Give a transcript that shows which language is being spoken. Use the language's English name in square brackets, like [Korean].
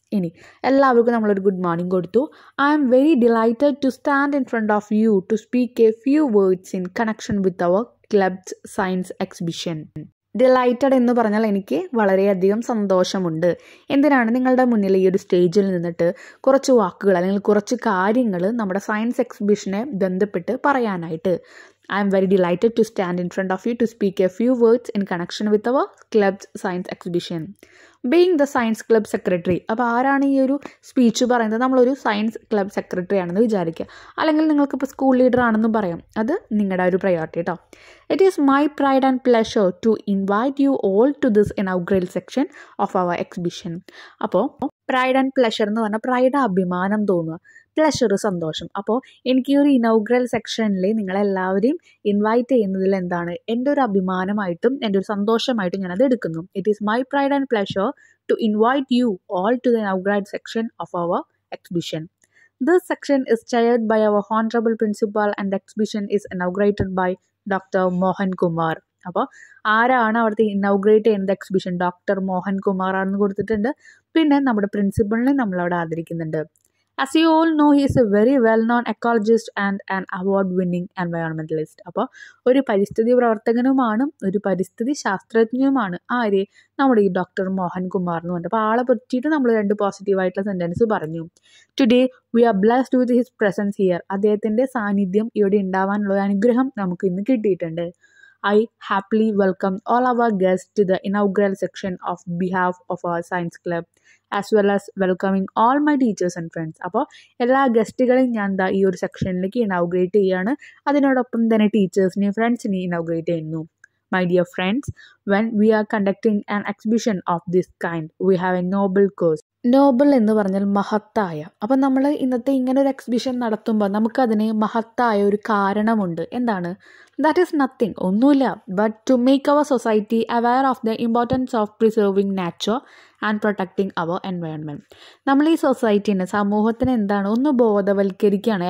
[Malayalam] ഇനി എല്ലാവർക്കും നമ്മളൊരു ഗുഡ് മോർണിംഗ് കൊടുത്തു. [English] I am very delighted to stand in front of you to speak a few words in connection with our clubs science exhibition. [Malayalam] Delighted എന്ന് പറഞ്ഞാൽ എനിക്ക് വളരെയധികം സന്തോഷമുണ്ട്. എന്തിനാണ് നിങ്ങളുടെ മുന്നിൽ ഈ ഒരു സ്റ്റേജിൽ നിന്നിട്ട് കുറച്ച് വാക്കുകൾ അല്ലെങ്കിൽ കുറച്ച് കാര്യങ്ങൾ നമ്മുടെ സയൻസ് എക്സിബിഷനെ ബന്ധപ്പെട്ട് പറയാനായിട്ട്. [English] I am very delighted to stand in front of you to speak a few words in connection with our club's science exhibition. Being the science club secretary, [Malayalam] അപ്പോൾ ആരാണ് ഈ ഒരു സ്പീച്ച് പറയുന്നത്? നമ്മളൊരു സയൻസ് ക്ലബ് സെക്രട്ടറി ആണെന്ന് വിചാരിക്കുക. അല്ലെങ്കിൽ നിങ്ങൾക്കിപ്പോൾ സ്കൂൾ ലീഡർ ആണെന്ന് പറയാം. അത് നിങ്ങളുടെ ഒരു പ്രയോറിറ്റി കേട്ടോ. [English] It is my pride and pleasure to invite you all to this inaugural section of our exhibition. [Malayalam] അപ്പോൾ പ്രൈഡ് ആൻഡ് പ്ലഷർ എന്ന് പറഞ്ഞാൽ പ്രൈഡ് അഭിമാനം തോന്നുക, പ്ലഷർ സന്തോഷം. അപ്പോൾ എനിക്ക് ഈ ഒരു ഇനോഗ്രേൽ സെക്ഷനിൽ നിങ്ങളെല്ലാവരെയും ഇൻവൈറ്റ് ചെയ്യുന്നതിൽ എന്താണ് എൻ്റെ ഒരു അഭിമാനമായിട്ടും എൻ്റെ ഒരു സന്തോഷമായിട്ടും ഞാനത് എടുക്കുന്നു. [English] It is my pride and pleasure to invite you all to the inaugural section of our exhibition. This section is chaired by our honourable principal and exhibition is inaugurated by doctor Mohan Kumar. [Malayalam] അപ്പോൾ ആരാണ് അവിടുത്തെ ഇനോഗ്രേറ്റ് ചെയ്യുന്നത്? Exhibition doctor Mohan Kumar ആണെന്ന് കൊടുത്തിട്ടുണ്ട്. പിന്നെ നമ്മുടെ പ്രിൻസിപ്പളിനെ നമ്മൾ അവിടെ ആദരിക്കുന്നുണ്ട്. [English] As you all know, he is a very well-known ecologist and an award-winning environmentalist. [Malayalam] അപ്പോൾ ഒരു പരിസ്ഥിതി പ്രവർത്തകനുമാണ്, ഒരു പരിസ്ഥിതി ശാസ്ത്രജ്ഞനുമാണ് ആരെ? നമ്മുടെ ഈ ഡോക്ടർ മോഹൻ കുമാർ എന്ന് പറഞ്ഞു. അപ്പോൾ ആളെ പറ്റിയിട്ട് നമ്മൾ രണ്ട് പോസിറ്റീവായിട്ടുള്ള സെൻറ്റൻസ് പറഞ്ഞു. [English] Today we are blessed with his presence here. [Malayalam] അദ്ദേഹത്തിൻ്റെ സാന്നിധ്യം ഇവിടെ ഉണ്ടാവാനുള്ള അനുഗ്രഹം നമുക്ക് ഇന്ന് കിട്ടിയിട്ടുണ്ട്. [English] I happily welcome all our guests to the inaugural section of behalf of our science club, as well as welcoming all my teachers and friends. [Malayalam] അപ്പോൾ എല്ലാ ഗസ്റ്റുകളെയും ഞാൻ ദാ ഈ ഒരു സെക്ഷനിലേക്ക് ഇനോഗ്രേറ്റ് ചെയ്യുകയാണ്. അതിനോടൊപ്പം തന്നെ ടീച്ചേഴ്സിനെയും ഫ്രണ്ട്സിനെയും ഇനോഗ്രേറ്റ് ചെയ്യുന്നു. [English] My dear friends, when we are conducting an exhibition of this kind, we have a noble cause. [Malayalam] Noble എന്ന് പറഞ്ഞാൽ മഹത്തായ. അപ്പം നമ്മൾ ഇന്നത്തെ ഇങ്ങനെ ഒരു എക്സിബിഷൻ നടത്തുമ്പോൾ നമുക്കതിന് മഹത്തായ ഒരു കാരണമുണ്ട്. എന്താണ്? [English] that is nothing, [Malayalam] ഒന്നുമില്ല. [English] But to make our society aware of the importance of preserving nature and protecting our environment. [Malayalam] നമ്മൾ ഈ സൊസൈറ്റീനെ, സമൂഹത്തിന് എന്താണ് ഒന്ന് ബോധവൽക്കരിക്കുകയാണ്.